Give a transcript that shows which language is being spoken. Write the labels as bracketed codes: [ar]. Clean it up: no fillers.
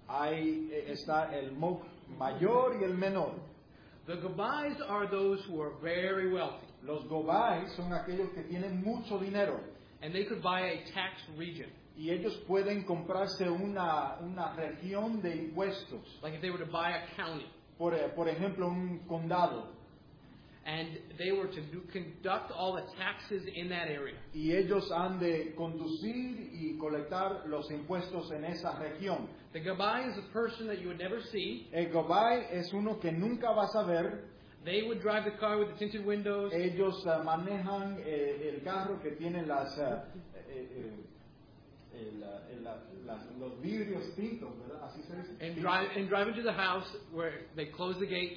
[es] Hay está el moke mayor y el menor. [en] The gobais are those who are very wealthy. [es] Los gobai son aquellos que tienen mucho dinero. [en] And they could buy a tax region. [es] Y ellos pueden comprarse una región de impuestos. [en] Like if they were to buy a county. [es] Por ejemplo, un condado. [en] And they were to conduct all the taxes in that area. [es] Y ellos han de conducir y colectar los impuestos en esa región. [en] The gabai is a person that you would never see. [es] El gabai es uno que nunca vas a ver. [en] They would drive the car with the tinted windows. [es] Ellos manejan el carro que tiene los vidrios tintos, ¿verdad? Así se dice. [en] And drive into the house where they close the gate.